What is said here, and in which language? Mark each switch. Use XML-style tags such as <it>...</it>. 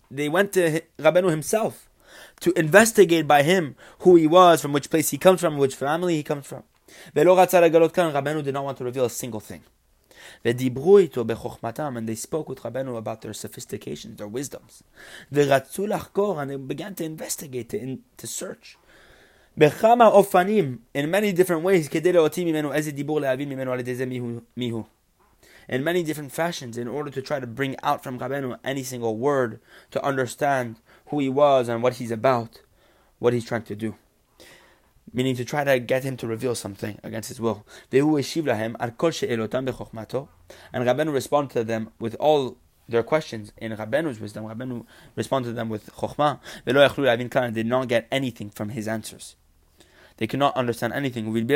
<en>They went to Rabbeinu himself to investigate by him who he was, from which place he comes from, which family he comes from. Rabbeinu did not want to reveal a single thing. And they spoke with Rabbeinu about their sophistication, their wisdoms. And they began to investigate, to search.</en> <he>בחמה אופנים,</he> <en>in many different ways,</en> <he>כדי להוציא ממנו איזה דיבור להבין ממנו על ידי זה מיהו.</he> <en>In many different fashions, in order to try to bring out from Rabbeinu any single word, to understand who he was and what he's about, what he's trying to do. Meaning to try to get him to reveal something against his will.</en> <he>והוא השיב להם על כל שאלותם בחוכמתו.</he> <en>And Rabbeinu responded to them with all their questions in Rabbeinu's wisdom. Rabbeinu responded to them with chokhmah.</en> <he>Ve'lo yachlu la'avin klan,</he> <en>did not get anything from his answers. They could not understand anything.</en>